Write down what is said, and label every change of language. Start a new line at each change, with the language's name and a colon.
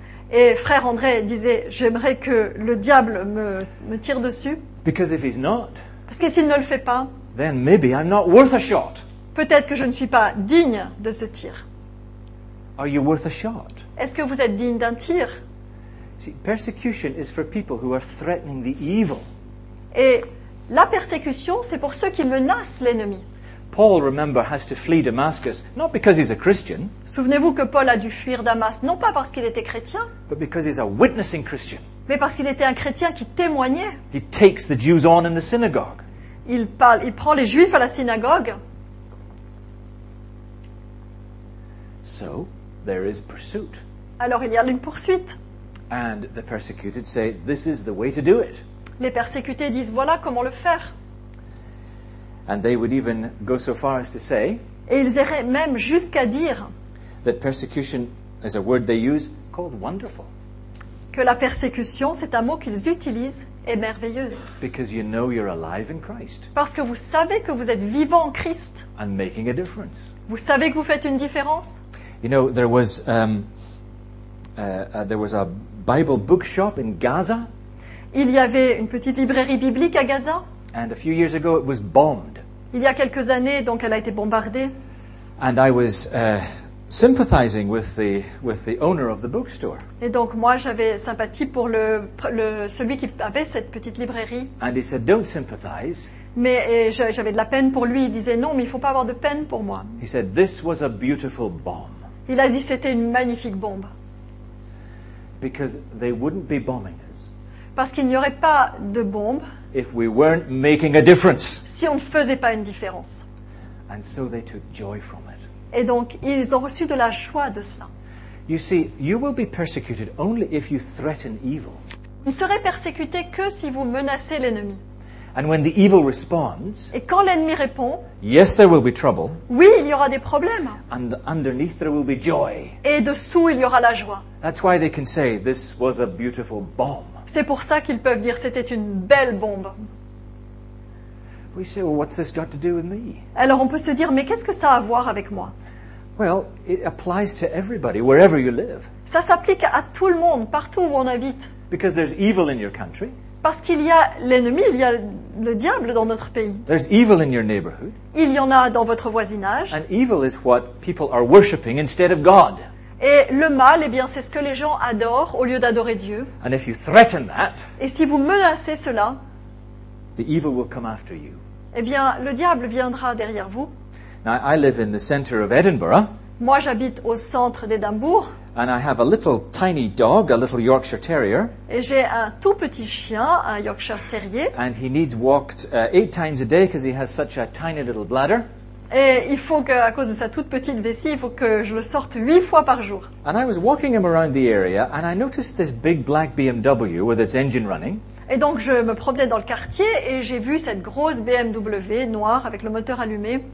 French: Et frère André disait, j'aimerais que le diable me tire dessus.
English: Because if he's not,
French: parce que s'il ne le fait pas,
English: then maybe I'm not worth a shot.
French: Peut-être que je ne suis pas digne de ce tir.
English: Are you worth a shot?
French: Est-ce que vous êtes digne d'un tir?
English: See, persecution is for people who are threatening the evil.
French: Et la persécution, c'est pour ceux qui menacent l'ennemi.
English: Paul, remember, has to flee Damascus, not because he's a Christian.
French: Souvenez-vous que Paul a dû fuir Damas, non pas parce qu'il était chrétien,
English: but because he's a witnessing Christian.
French: Mais parce qu'il était un chrétien qui témoignait.
English: He takes the Jews on in the synagogue.
French: Il prend les Juifs à la synagogue.
English: So, there is pursuit.
French: Alors il y a une poursuite.
English: And the persecuted say, "This is the way to do it."
French: Les persécutés disent, voilà comment le faire.
English: And they would even go so far as to say,
French: et ils iraient même jusqu'à dire,
English: that persecution is a word they use called wonderful.
French: Que la persécution, c'est un mot qu'ils utilisent, est merveilleuse.
English: Because you know you're alive in Christ.
French: Parce que vous savez que vous êtes vivant en Christ.
English: And making a difference.
French: Vous savez que vous faites une différence.
English: You know, there was a Bible bookshop in Gaza.
French: Il y avait une petite librairie biblique à Gaza.
English: And a few years ago, it was bombed.
French: Il y a quelques années, donc, elle a été bombardée.
English: And I was sympathizing with the owner of the bookstore.
French: Et donc, moi, j'avais sympathie pour celui qui avait cette petite librairie.
English: And he said, "Don't sympathize."
French: Mais j'avais de la peine pour lui. Il disait, non, mais il ne faut pas avoir de peine pour moi.
English: He said, "This was a beautiful bomb."
French: Il a dit, c'était une magnifique bombe.
English: Because they wouldn't be bombing us.
French: Parce qu'il n'y aurait pas de bombe.
English: If we weren't making a difference.
French: Si on ne faisait pas une différence.
English: And so they took joy from it.
French: Et donc, ils ont reçu de la joie de cela.
English: You see, you will be persecuted only if you threaten evil.
French: Vous ne serez persécuté que si vous menacez l'ennemi.
English: And when the evil responds,
French: et quand l'ennemi répond,
English: yes, there will be trouble,
French: oui, il y aura des problèmes.
English: And underneath there will be joy.
French: Et dessous, il y aura la joie.
English: That's why they can say, this was a beautiful bomb.
French: C'est pour ça qu'ils peuvent dire, c'était une belle bombe.
English: We say, well, what's this got to do with me?
French: Alors on peut se dire, mais qu'est-ce que ça a à voir avec moi?
English: Well, it applies to everybody, wherever you live.
French: Ça s'applique à tout le monde, partout où on habite.
English: Because there's evil in your country.
French: Parce qu'il y a l'ennemi, il y a le diable dans notre pays.
English: There's evil in your neighborhood.
French: Il y en a dans votre voisinage.
English: And evil is what people are worshiping instead of God.
French: Et le mal, eh bien, c'est ce que les gens adorent au lieu d'adorer Dieu.
English: And if you threaten that,
French: et si vous menacez cela,
English: the evil will come after you.
French: Eh bien, le diable viendra derrière vous.
English: Now, I live in the center of Edinburgh.
French: Moi, j'habite au centre d'Édimbourg.
English: And I have a little tiny dog, a little Yorkshire Terrier.
French: Et j'ai un tout petit chien, un Yorkshire Terrier.
English: And he needs walked 8 times a day because he has such a tiny little bladder.
French: Et il faut que, à cause de sa toute petite vessie, il faut que je le sorte 8 fois par jour.
English: And I was walking him around the area and I noticed this big black BMW with its engine running.
French: Et donc je me promenais dans le quartier et j'ai vu cette grosse BMW noire avec le moteur allumé.